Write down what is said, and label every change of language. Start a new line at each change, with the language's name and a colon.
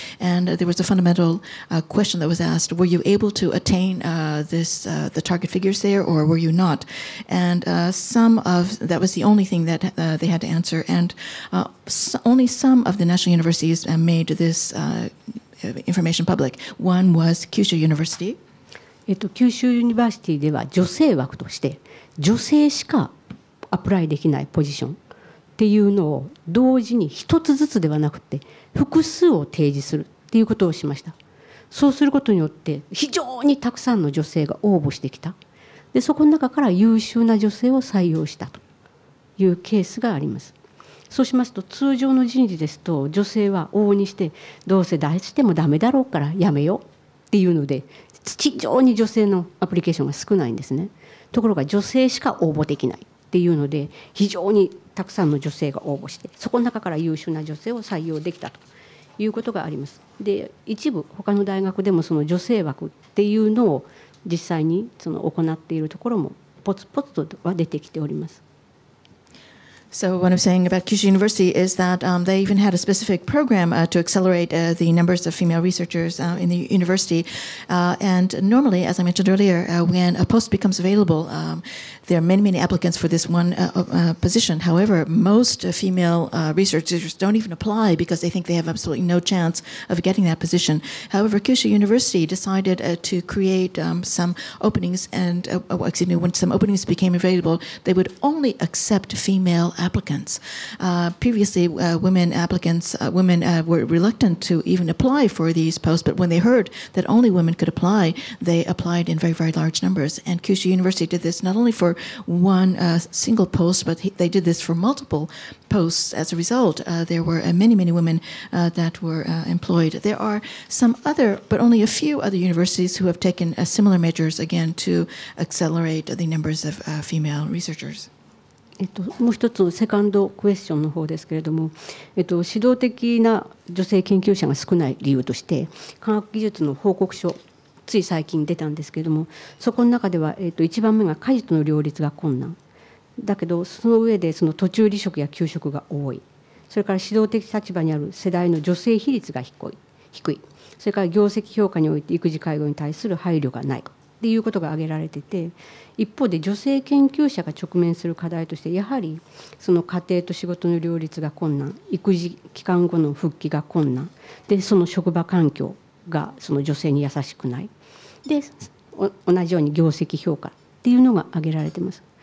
English: And there was a fundamental question that was asked, were you able to attain the target figures there, or were you not? And that was the only thing that they had to answer, and only some of the national universities made this information public. One was Kyushu University.
Japanese: 九州ユニバーシティでは女性枠として女性しかアプライできないポジションっていうのを同時に一つずつではなくて複数を提示するっていうことをしました。そうすることによって非常にたくさんの女性が応募してきた。でそこの中から優秀な女性を採用したというケースがあります。そうしますと通常の人事ですと女性は往々にしてどうせ出してもダメだろうからやめようっていうので非常に女性のアプリケーションが少ないんですね。ところが女性しか応募できないっていうので非常にたくさんの女性が応募してそこの中から優秀な女性を採用できたということがあります。で一部他の大学でもその女性枠っていうのを実際にその行っているところもポツポツとは出てきております。
English: So what I'm saying about Kyushu University is that they even had a specific program to accelerate the numbers of female researchers in the university. And normally, as I mentioned earlier, when a post becomes available, there are many, many applicants for this one position. However, most female researchers don't even apply because they think they have absolutely no chance of getting that position. However, Kyushu University decided to create some openings, and when some openings became available, they would only accept female applicants. Previously, women were reluctant to even apply for these posts, but when they heard that only women could apply, they applied in very, very large numbers. And Kyushu University did this not only for one single post, but they did this for multiple posts. As a result, there were many, many women that were employed. There are some other, but only a few other universities who have taken similar measures, again, to accelerate the numbers of female researchers.
Japanese: もう一つセカンドクエスチョンの方ですけれども、指導的な女性研究者が少ない理由として科学技術の報告書つい最近出たんですけれども、そこの中では、一番目が家事との両立が困難だけど、その上でその途中離職や休職が多い、それから指導的立場にある世代の女性比率が低い、それから業績評価において育児介護に対する配慮がないということが挙げられていて、一方で女性研究者が直面する課題として、やはりその家庭と仕事の両立が困難、育児期間後の復帰が困難で、その職場環境がその女性に優しくないで、同じように業績評価っていうのが挙げられています。